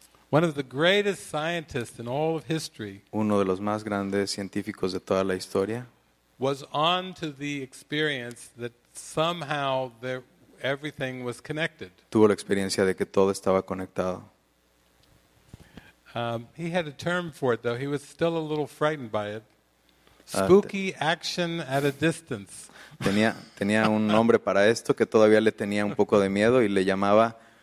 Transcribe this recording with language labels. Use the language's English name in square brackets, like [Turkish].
[English] One of the greatest scientists in all of history. [Spanish] Uno de los más grandes científicos de toda la historia. [English] was on to the experience that somehow there everything was connected. [Spanish] Tuvo la experiencia de que todo estaba conectado. [English] He had a term for it, though. He was still a little frightened by it. Spooky action at a distance. [Spanish] Tenía un nombre para esto que todavía le tenía un poco de miedo y le llamaba